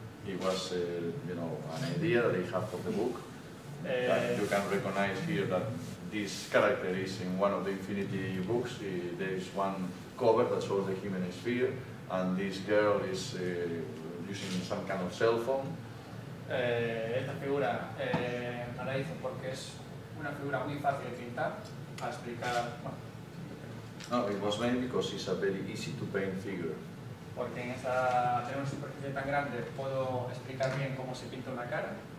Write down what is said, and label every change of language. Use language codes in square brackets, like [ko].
[en] It was you know, an idea that they have for the book. That you can recognize here that this character is in one of the Infinity books. There is one cover that shows the human sphere. And this girl is using some kind of cell phone. [es] Esta figura me la hizo porque es una figura muy fácil de pintar, a explicar. [en] No, it was made because it's a very easy to paint figure. [es] Porque en esta tener una superficie tan grande puedo explicar bien cómo se pinta una cara.